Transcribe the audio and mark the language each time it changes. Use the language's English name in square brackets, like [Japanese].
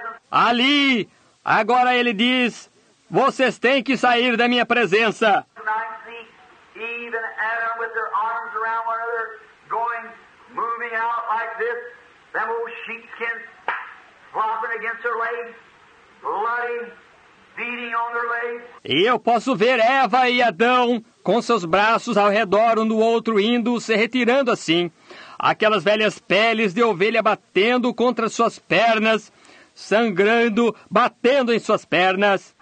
[Portuguese] Ali, agora ele diz, vocês têm que sair da minha presença. [English] Eve and Adam with their arms around one another, going, moving out like this, them old sheepskins flopping against their legs, bloody, beating on their legs. [Portuguese] E eu posso ver Eva e Adão com seus braços ao redor um do outro indo, se retirando assim, aquelas velhas peles de ovelha batendo contra suas pernas, sangrando, batendo em suas pernas.